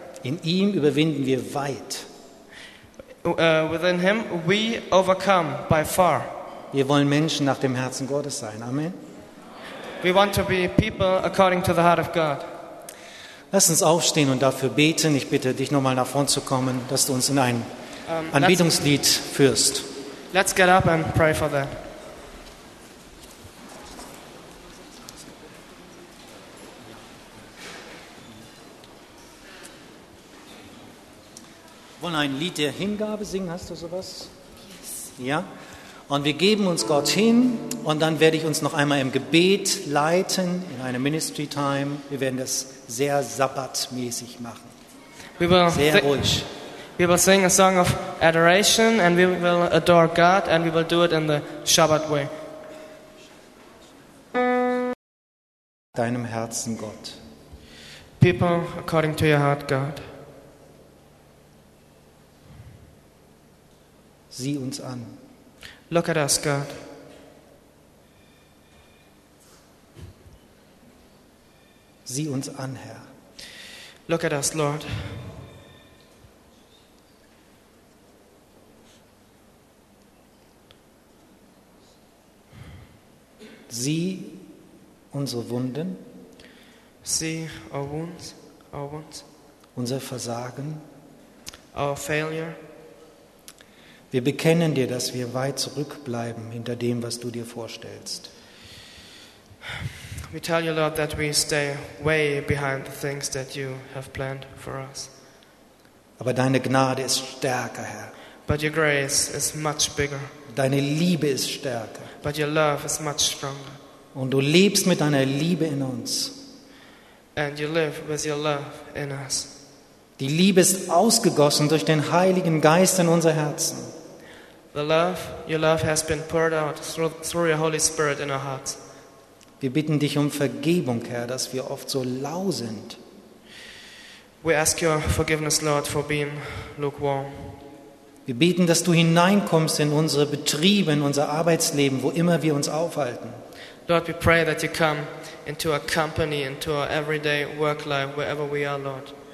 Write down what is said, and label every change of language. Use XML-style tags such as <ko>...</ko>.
<de>In ihm überwinden wir weit.</de> <en>Within him we overcome by far.</en> <de>Wir wollen Menschen nach dem Herzen Gottes sein. Amen.</de> <en>We want to be people according to the heart of God.</en> <de>Lass uns aufstehen und dafür beten. Ich bitte dich nochmal nach vorn zu kommen, dass du uns in ein Anbetungslied führst.</de> <en>Let's get up and pray for that.</en> <de>Wollen ein Lied der Hingabe singen? Hast du sowas?</de> <en>Yes.</en> <de>Ja? Und wir geben uns Gott hin und dann werde ich uns noch einmal im Gebet leiten, in einer Ministry Time. Wir werden das sehr sabbatmäßig machen. Sehr ruhig.</de> <en>We will sing a song of adoration and we will adore God and we will do it in the Shabbat way.</en> <de>Deinem Herzen, Gott.</de> <en>People, according to your heart, God.</en> <de>Sieh uns an.</de> <en>Look at us, God.</en> <de>Sieh uns an, Herr.</de> <en>Look at us, Lord.</en> <de>Sieh unsere Wunden.</de> <en>See our wounds, unser Versagen. Our failure.</en> <de>Wir bekennen dir, dass wir weit zurückbleiben hinter dem, was du dir vorstellst.</de> <en>We tell you, Lord, that we stay way behind the things that you have planned for us.</en> <de>Aber deine Gnade ist stärker, Herr.</de> <en>But your grace is much bigger.</en> <de>Deine Liebe ist stärker.</de> <en>But your love is much stronger.</en> <de>Und du lebst mit deiner Liebe in uns.</de> <en>And you live with your love in us.</en> <de>Die Liebe ist ausgegossen durch den Heiligen Geist in unser Herzen.</de> <en>The love, your love has been poured out through your Holy Spirit in our hearts.</en> <de>Wir bitten dich um Vergebung, Herr, dass wir oft so lau sind.</de> <en>We ask your forgiveness, Lord, for being lukewarm.</en> <de>Wir beten, dass du hineinkommst in unsere Betriebe, in unser Arbeitsleben, wo immer wir uns aufhalten.</de> <en>Lord, we pray that you come into our company, into our everyday work life, wherever we are, Lord.</en>